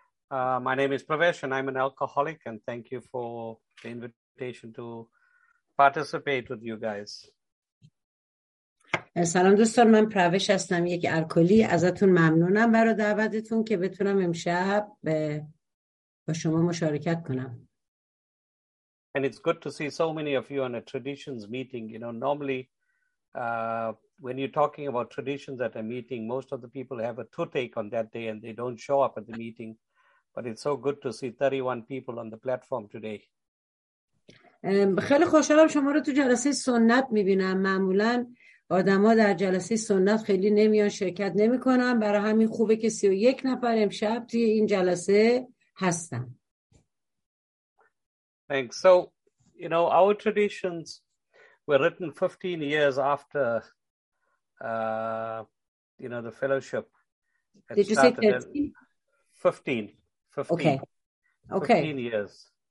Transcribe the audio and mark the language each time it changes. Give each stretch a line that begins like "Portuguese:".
English: My name is Pravesh and I'm an alcoholic and thank you for the invitation to participate with you guys.
Persian: سلام دوستان، من پروش هستم، یک الکلی. ازتون ممنونم برای دعوتتون که بتونم امشب با شما مشارکت کنم.
English: And it's good to see so many of you on a traditions meeting. You know, normally when you're talking about traditions at a meeting, most of the people have a toothache on that day and they don't show up at the meeting. But it's so good to see 31 people on the platform today.
Persian: خیلی خوشحالم شما رو تو جلسه سنت میبینم. معمولاً آدم ها در جلسه سنت خیلی نمیان شرکت نمی کنن، برای همین خوبه که 31 نفر امشب توی این جلسه هستن.
English: Thanks. So, you know, our traditions were written 15 years after, you know, the fellowship. Did you say 13? 15. Okay. 15 years.